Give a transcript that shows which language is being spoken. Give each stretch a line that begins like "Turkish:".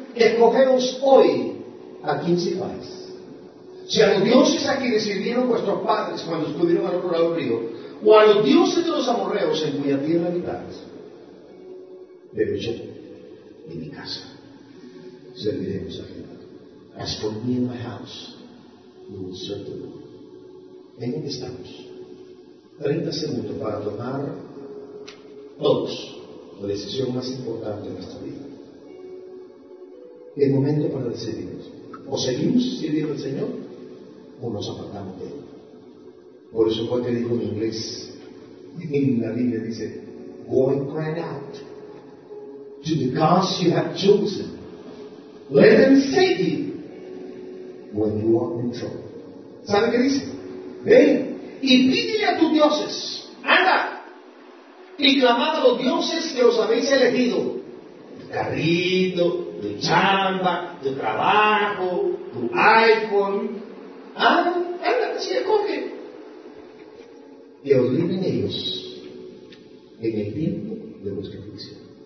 Spanish: Escogeos hoy a quien sirváis. Si a los dioses a quienes sirvieron vuestros padres cuando estuvieron al otro lado del río, o a los dioses de los amorreos en cuya tierra habitáis, pero yo en mi casa serviremos a Jehová.
English: As for me in my house, we will serve the Lord.
Spanish: ¿En dónde estamos? 30 segundos para tomar todos la decisión más importante de nuestra vida. El momento para decidirnos. O seguimos sirviendo al Señor, o nos apartamos de Él. Por eso fue que dijo en inglés, en la Biblia dice,
English: go and cry out to the gods you have chosen. Let them save you when you are in trouble.
Spanish: ¿Sabe qué dice? Ve y pídele a tus dioses, anda, y clamad a los dioses que os habéis elegido. Carrito, tu chamba, tu trabajo, tu iPhone. Anda, si escoge. Y olviden ellos en el tiempo de vuestra aflicción.